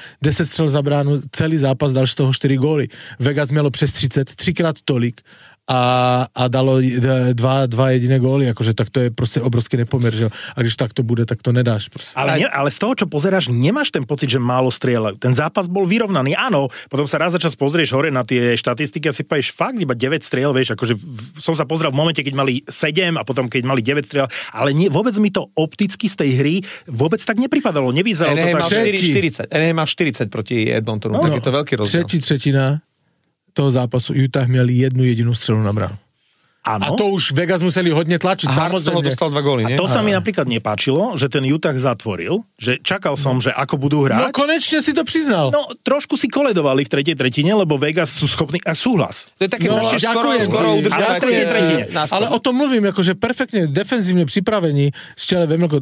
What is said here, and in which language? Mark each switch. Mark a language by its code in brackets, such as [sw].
[cs] 10 střel za bránu, celý zápas dal z toho 4 góly. Vegas mělo přes 30, třikrát tolik a dalo dva jediné góly, akože tak to je prostě obrovský nepoměr, že? A když tak to bude, tak to nedáš. Prostě. [sk] Ale z toho, čo pozeráš, nemáš ten pocit, že málo strieľajú. Ten zápas bol vyrovnaný, áno, potom sa raz za čas pozrieš hore na tie štatistiky a si povieš, fakt iba 9 striel, vieš, akože som sa pozrel v momente, keď mali 7 a potom keď mali 9 striel, ale nie, vôbec mi to opticky z tej hry vôbec tak nepripadalo, nevyzeralo to tak. NHL má 40 proti Edmontonu, no, tak je to veľký rozdiel. [cs] Tretina toho zápasu Utah měl jednu jedinou střelu na bránu. Ano. A to už Vegas museli hodně tlačit. [sk] Hart z toho dostal dva góly, nie? A to sa mi napríklad nepáčilo, že ten Utah zatvoril, že čakal som, že ako budú hrať. No konečne si to priznal. No trošku si koledovali v tretej tretine, lebo Vegas sú schopní a súhlas. To je také, no, zašiel skoro udržať. Ale v tretej tretine. Ale o tom mluvím, akože perfektne, defenzívne pripravení s čele Vemelko.